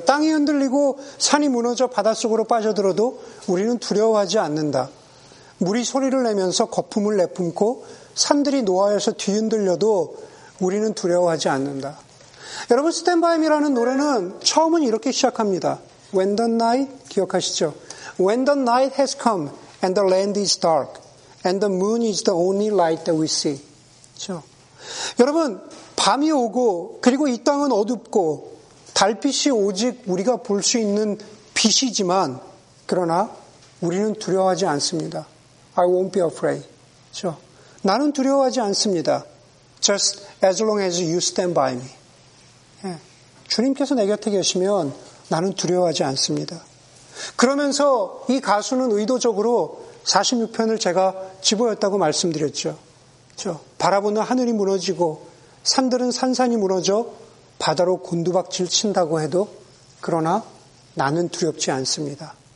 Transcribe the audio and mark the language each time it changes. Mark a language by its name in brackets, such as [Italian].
[Korean] 땅이 흔들리고 산이 무너져 바닷속으로 빠져들어도 우리는 두려워하지 않는다. 물이 소리를 내면서 거품을 내뿜고 산들이 노하여서 뒤흔들려도 우리는 두려워하지 않는다. 여러분, Stand By Me라는 노래는 처음은 이렇게 시작합니다. [English] When the night, [Korean] 기억하시죠? [English] When the night has come and the land is dark and the moon is the only light that we see. [Korean] 그렇죠? 여러분, 밤이 오고 그리고 이 땅은 어둡고 달빛이 오직 우리가 볼 수 있는 빛이지만, 그러나 우리는 두려워하지 않습니다. [English] I won't be afraid. [Korean] 저, 나는 두려워하지 않습니다. [English] Just as long as you stand by me. [Korean] 예. 주님께서 내 곁에 계시면 나는 두려워하지 않습니다. 그러면서 이 가수는 의도적으로 46편을 제가 집어였다고 말씀드렸죠. 저, 바라보는 하늘이 무너지고 산들은 산산이 무너져 바다로 곤두박질 친다고 해도 그러나 나는 두렵지 않습니다.